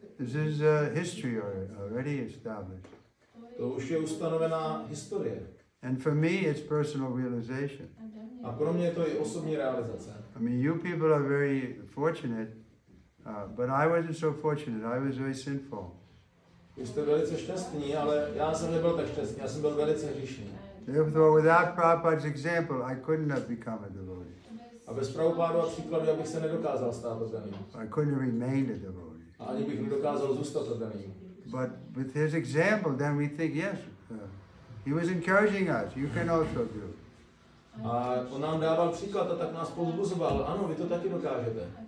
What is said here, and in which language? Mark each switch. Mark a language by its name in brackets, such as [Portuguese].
[English] This is a history already established. [Czech] To už je ustanovená historie. [English] And for me it's personal realization. [Czech] A pro mě to je osobní realizace. [English] I mean, you people are very fortunate, but I wasn't so fortunate. I was very sinful. [Czech] Vy jste velice šťastní, ale já jsem nebyl tak šťastný. Já jsem byl velice hříšný. [English] Therefore, without Prabhupada's example, I couldn't have become a devotee. [Czech] A bez Prabhupádu a příkladu, abych se nedokázal stát oddaným. [English] I couldn't remain a devotee. [Czech] A ani bych nedokázal zůstat oddaným. [English] But with his example, then we think, yes, he was encouraging us, you can also do. [Czech] A on nám dával příklad a tak nás povzbuzoval, ano, vy to taky dokážete.